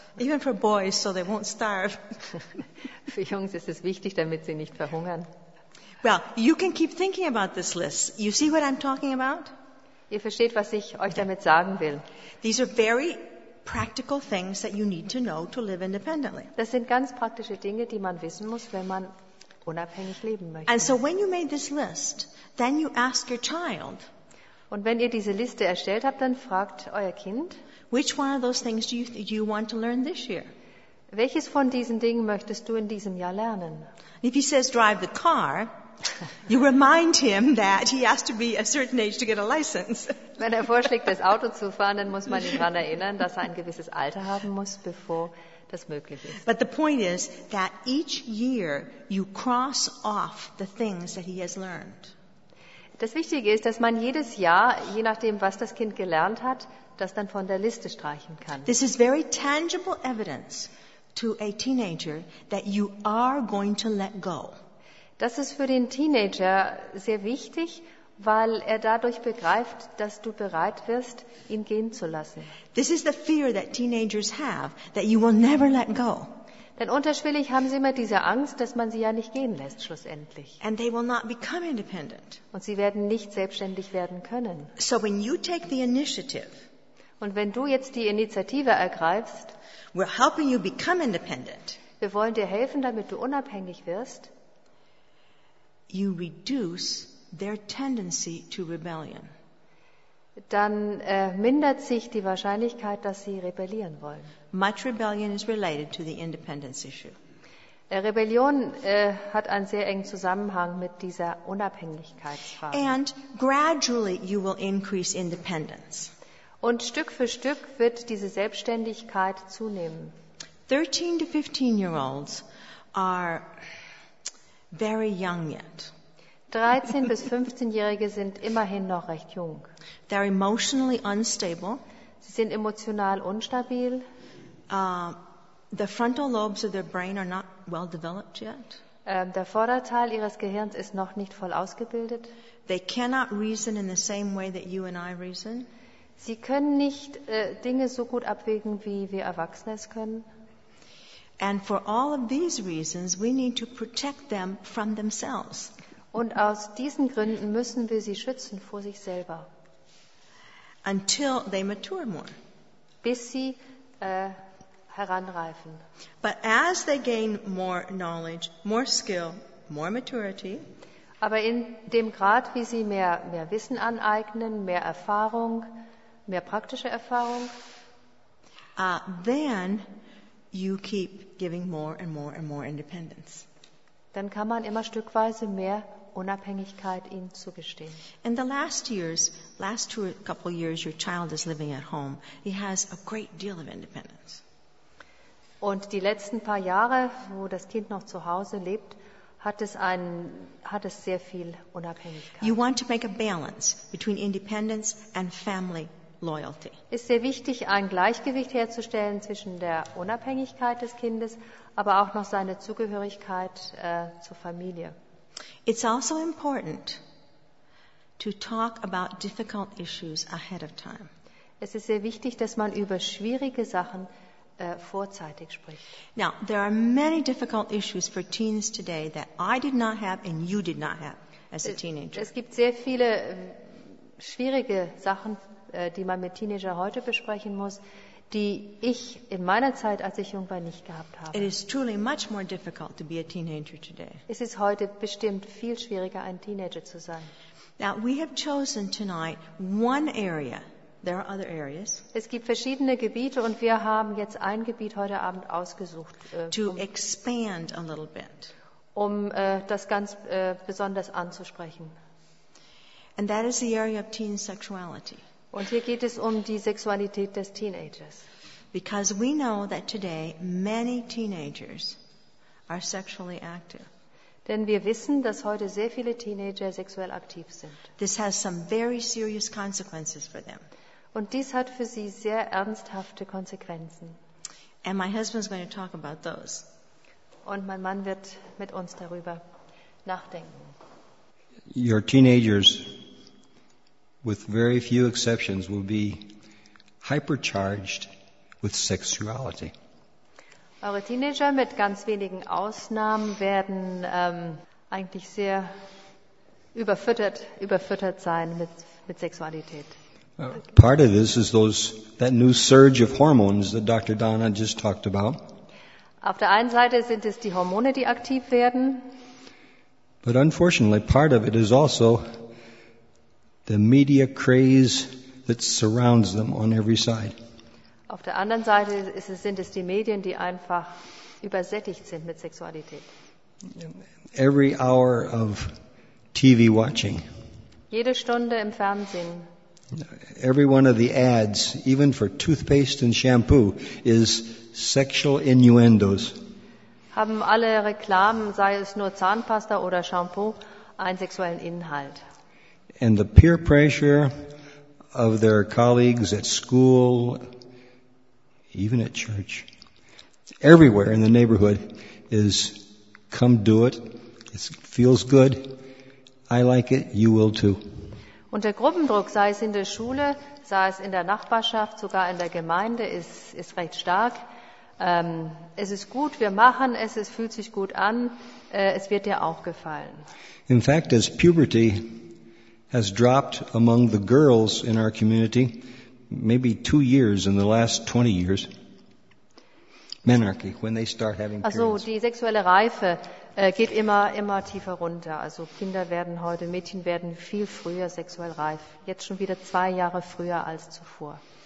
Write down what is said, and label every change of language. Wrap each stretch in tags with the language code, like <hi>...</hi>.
<en>Even for boys, so they won't starve.</en> <de>Für Jungs ist es wichtig, damit sie nicht verhungern.</de> <en>Well, you can keep thinking about this list. You see what I'm talking about?</en> <de>Ihr versteht, was ich euch damit sagen will.</de> <en>These are very practical things that you need to know to live independently.</en> <de>Das sind ganz praktische Dinge, die man wissen muss, wenn man unabhängig leben möchte.</de> <en>And so when you made this list, then you ask your child.</en> <de>Und wenn ihr diese Liste erstellt habt, dann fragt euer Kind,</de> <en>which one of those things do you want to learn this year?</en> <de>Welches von diesen Dingen möchtest du in diesem Jahr lernen?</de> <en>If he says drive the car, You remind him that he has to be a certain age to get a license.</en> <de>Wenn er vorschlägt, das Auto zu fahren, dann muss man ihn daran erinnern, dass er ein gewisses Alter haben muss, bevor das möglich ist.</de> <en>But the point is that each year you cross off the things that he has learned.</en> <de>Das Wichtige ist, dass man jedes Jahr, je nachdem, was das Kind gelernt hat, das dann von der Liste streichen kann.</de> <en>This is very tangible evidence to a teenager that you are going to let go.</en> <de>Das ist für den Teenager sehr wichtig, weil er dadurch begreift, dass du bereit wirst, ihn gehen zu lassen.</de> <en>This is the fear that teenagers have, that you will never let go.</en> <de>Denn unterschwellig haben sie immer diese Angst, dass man sie ja nicht gehen lässt schlussendlich.</de> <en>And they will not become independent.</en> <de>Und sie werden nicht selbstständig werden können.</de> <en>So when you take the initiative,</en> <de>und wenn du jetzt die Initiative ergreifst,</de> <en>we're helping you become independent.</en> <de>Wir wollen dir helfen, damit du unabhängig wirst.</de> <en>You reduce their tendency to rebellion.</en> <de>Dann mindert sich die Wahrscheinlichkeit, dass sie rebellieren wollen.</de> <en>Much rebellion is related to the independence issue.</en> <de>Rebellion hat einen sehr engen Zusammenhang mit dieser Unabhängigkeitsfrage.</de> <en>And gradually you will increase independence.</en> <de>Und Stück für Stück wird diese Selbstständigkeit zunehmen.</de> <en>13 to 15 year olds are very young yet.</en> <de>13 bis 15-Jährige sind immerhin noch recht jung.</de> <en>They're emotionally unstable.</en> <de>Sie sind emotional unstabil.</de> <en>The frontal lobes of their brain are not well developed yet.</en> <de>Der Vorderteil ihres Gehirns ist noch nicht voll ausgebildet.</de> <en>They cannot reason in the same way that you and I reason.</en> <de>Sie können nicht Dinge so gut abwägen, wie wir Erwachsene es können.</de> <en>And for all of these reasons, we need to protect them from themselves.</en> <de>Und aus diesen Gründen müssen wir sie schützen vor sich selber.</de> <en>Until they mature more.</en> <de>Bis sie heranreifen.</de> <en>But as they gain more knowledge, more skill, more maturity.</en> <de>Aber in dem Grad, wie sie mehr Wissen aneignen, mehr Erfahrung, mehr praktische Erfahrung.</de> <en>Then you keep giving more and more and more independence.</en> <de>Dann kann man immer stückweise mehr Unabhängigkeit ihnen zugestehen.</de> <en>In the last couple years, your child is living at home. He has a great deal of independence.</en> <de>Und die letzten paar Jahre, wo das Kind noch zu Hause lebt, hat es sehr viel Unabhängigkeit.</de> <en>You want to make a balance between independence and family loyalty.</en> <de>Ist sehr wichtig, ein Gleichgewicht herzustellen zwischen der Unabhängigkeit des Kindes, aber auch noch seine Zugehörigkeit zur Familie.</de> <en>It's also important to talk about difficult issues ahead of time.</en> <de>Es ist sehr wichtig, dass man über schwierige Sachen vorzeitig spricht.</de> <en>Now, there are many difficult issues for teens today that I did not have and you did not have as a teenager.</en> <de>Es gibt sehr viele schwierige Sachen, die man mit Teenager heute besprechen muss, die ich in meiner Zeit, als ich jung war, nicht gehabt habe.</de> <en>It is truly much more difficult to be a teenager today.</en> <de>Es ist heute bestimmt viel schwieriger, ein Teenager zu sein.</de> <en>Now, we have chosen tonight one area. There are other areas.</en> <de>Es gibt verschiedene Gebiete und wir haben jetzt ein Gebiet heute Abend ausgesucht,</de> <en>to expand a little bit.</en> <de>Um das ganz besonders anzusprechen.</de> <en>And that is the area of teen sexuality.</en> <de>Und hier geht es um die Sexualität des Teenagers.</de> <en>Because we know that today many teenagers are sexually active.</en> <de>Denn wir wissen, dass heute sehr viele Teenager sexuell aktiv sind.</de> <en>This has some very serious consequences for them.</en> <de>Und dies hat für sie sehr ernsthafte Konsequenzen.</de> <en>And my husband is going to talk about those.</en> <de>Und mein Mann wird mit uns darüber nachdenken.</de> <en>Your teenagers, with very few exceptions, will be hypercharged with sexuality.</en> <de>Eure Teenager, mit ganz wenigen Ausnahmen, werden eigentlich sehr überfüttert sein mit Sexualität.</de> <en>Part of this is that new surge of hormones that Dr. Donna just talked about.</en> <de>Auf der einen Seite sind es die Hormone, die aktiv werden.</de> <en>But unfortunately, part of it is also the media craze that surrounds them on every side.</en> <de>Auf der anderen Seite sind es die Medien, die einfach übersättigt sind mit Sexualität.</de> <en>Every hour of TV watching.</en> <de>Jede Stunde im Fernsehen.</de> <en>Every one of the ads, even for toothpaste and shampoo, is sexual innuendos.</en> <de>Haben alle Reklamen, sei es nur Zahnpasta oder Shampoo, einen sexuellen Inhalt.</de> <en>And the peer pressure of their colleagues at school, even at church, everywhere in the neighborhood, is come do it. It feels good. I like it. You will too.</en> <de>Und der Gruppendruck, sei es in der Schule, sei es in der Nachbarschaft, sogar in der Gemeinde, ist recht stark. Es ist gut, wir machen es, es fühlt sich gut an, es wird dir auch gefallen.</de> <en>In fact, as puberty has dropped among the girls in our community, maybe 2 years in the last 20 years, menarche, when they start having periods.</en> <de>Also die sexuelle Reife geht immer tiefer runter. Also Kinder werden heute, Mädchen werden viel früher sexuell reif. Jetzt schon wieder 2 Jahre früher als zuvor.</de>